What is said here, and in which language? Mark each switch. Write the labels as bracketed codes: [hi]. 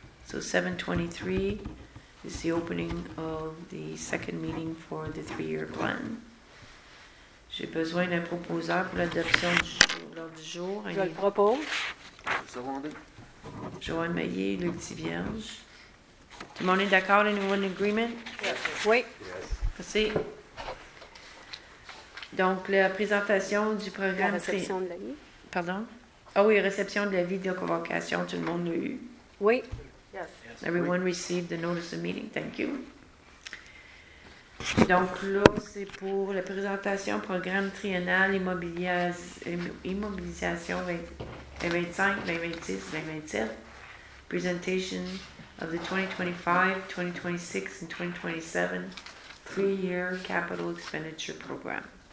[en] So 7:23 is the opening of the second meeting for the three-year plan. [fr] J'ai besoin d'un proposeur pour l'adoption du jour, lors du jour. Je le propose. Joanne Maillet, Luc Thivierge. Tout le monde est d'accord? [en] Anyone in agreement? Yes. [fr] Oui. [en] Yes. [fr] Merci. Donc, la présentation du programme... La réception de la vie. Pardon? Ah oui, réception de la vidéoconvocation, tout le monde l'a eu. Oui. [en] Yes. Everyone received the notice of meeting. Thank you. [fr] Donc là, c'est pour la présentation programme triennal immobilisation 2025, 2026, 2027. [en] Presentation of the 2025, 2026 and 2027 three-year capital expenditure program.